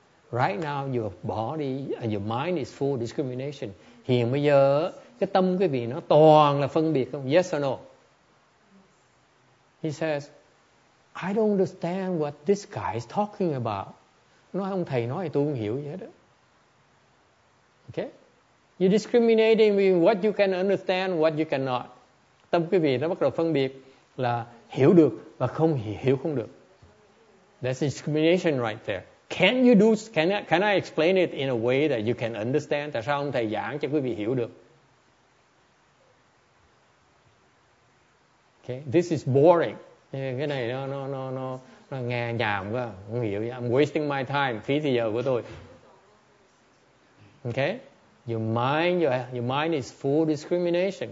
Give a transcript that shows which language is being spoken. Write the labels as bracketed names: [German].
[English] Right now your body and your mind is full of discrimination. [Vietnamese] Hiện bây giờ cái tâm quý vị nó toàn là phân biệt không? [English] Yes or no? He says, I don't understand what this guy is talking about. [Vietnamese] Nói ông thầy nói thì tôi không hiểu gì hết đó. [English] Okay? You're discriminating between what you can understand, what you cannot. [Vietnamese] Tâm quý vị nó bắt đầu phân biệt là hiểu được và không hiểu không được. [English] That's discrimination right there. Can you do? Can I explain it in a way that you can understand? [Vietnamese] Tại sao ông thầy giảng cho quý vị hiểu được? [English] Okay, this is boring. [Vietnamese] Cái này nó nghe nhảm quá, không hiểu. [English] I'm wasting my time, [Vietnamese] phí thời giờ của tôi. [English] Okay, your mind is full discrimination.